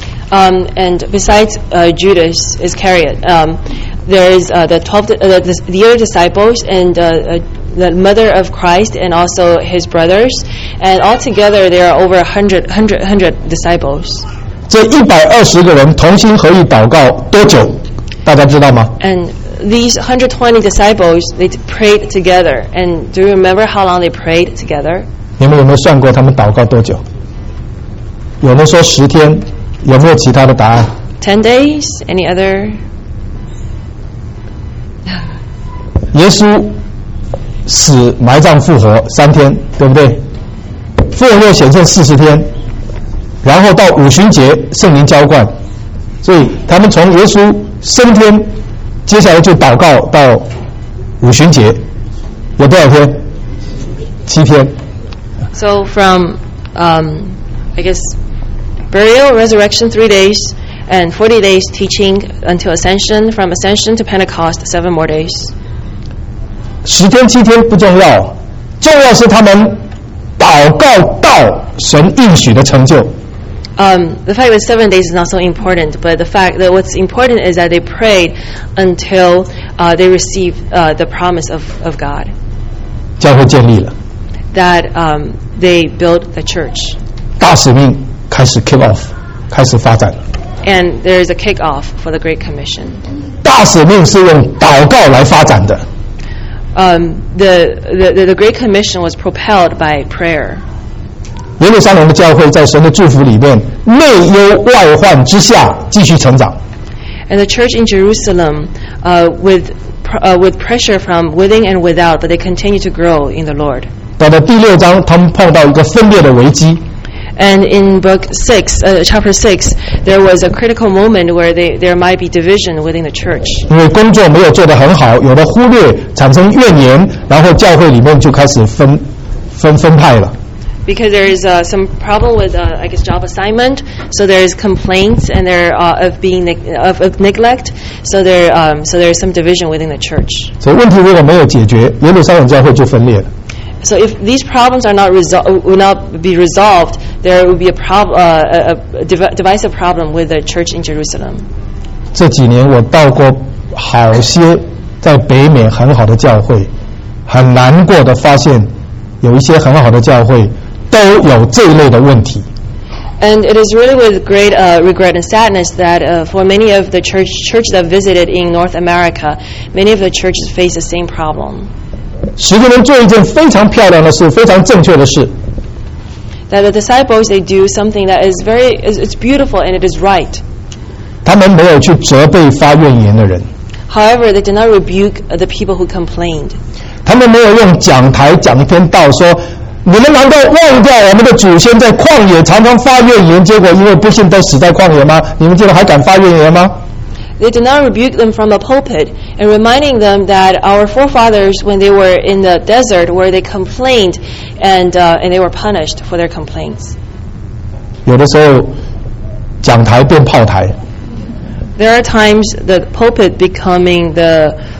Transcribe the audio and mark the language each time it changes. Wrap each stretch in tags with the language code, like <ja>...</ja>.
<en>And besides Judas Iscariot, there is the other disciples and the mother of Christ and also his brothers, and altogether there are over 100 disciples.</en> <zh>这120个人同心合意祷告多久？大家知道吗？</zh> <en>And these 120 disciples, they prayed together. And do you remember how long they prayed together?</en> <zh>你们有没有算过他们祷告多久？有没有说十天？有没有其他的答案？</zh> <en>10 days? Any other?</en> <zh>耶稣死埋葬复活三天，对不对？复活又显现40天，然后到五旬节圣灵浇灌，所以他们从耶稣升天，接下来就祷告到五旬节，有多少天？七天。</zh> <en>So from, I guess, burial, resurrection, 3 days, and 40 days teaching until ascension. From ascension to Pentecost, 7 more days.</en> <zh>十天七天不重要，重要是他们祷告到神应许的成就。</zh> <en>The fact that 7 days is not so important, but the fact that what's important is that they prayed until they received the promise of God.</en> <zh>教会建立了。</zh> <en>That they built the church.</en> <zh>大使命开始</zh> <en>kick off,</en> <zh>开始发展。</zh> <en>And there is a kick off for the Great Commission.</en> <zh>大使命是用祷告来发展的。</zh> <en>The Great Commission was propelled by prayer.</en> <zh>耶路撒冷的教会在神的祝福里面，内忧外患之下继续成长。</zh> <en>And the church in Jerusalem, with pressure from within and without, but they continue to grow in the Lord.</en> <zh>到了第六章，他们碰到一个分裂的危机。</zh> <en>And in book six, chapter six, there was a critical moment where there might be division within the church.</en> <zh>因为工作没有做得很好，有的忽略，产生怨言，然后教会里面就开始分派了。</zh> <en>Because there is some problem with I guess job assignment, so there is complaints and there of neglect, so there is some division within the church.</en> <zh>所以问题如果没有解决，耶路撒冷教会就分裂了。</zh> <en>So if these problems are not will not be resolved, there will be a divisive problem with the church in Jerusalem.</en> <zh>这几年我到过好些在北美很好的教会，很难过的发现有一些很好的教会都有这一类的问题。</zh> <en>And it is really with great regret and sadness that for many of the churches I've visited in North America, many of the churches face the same problem.</en> <zh>十个人做一件非常漂亮的事，非常正确的事。</zh> <en>That the disciples they do something that is very it's beautiful and it is right.</en> <zh>他们没有去责备发怨言的人。</zh> <en>However, they did not rebuke the people who complained.</en> <zh>他们没有用讲台讲一篇道说，你们难道忘掉我们的祖先在旷野常常发怨言，结果因为不信都死在旷野吗？你们竟然还敢发怨言吗？</zh> <en>They did not rebuke them from a pulpit and reminding them that our forefathers, when they were in the desert, where they complained and they were punished for their complaints.</en> <zh>有的时候讲台变炮台。</zh> <en>There are times the pulpit becoming the</en>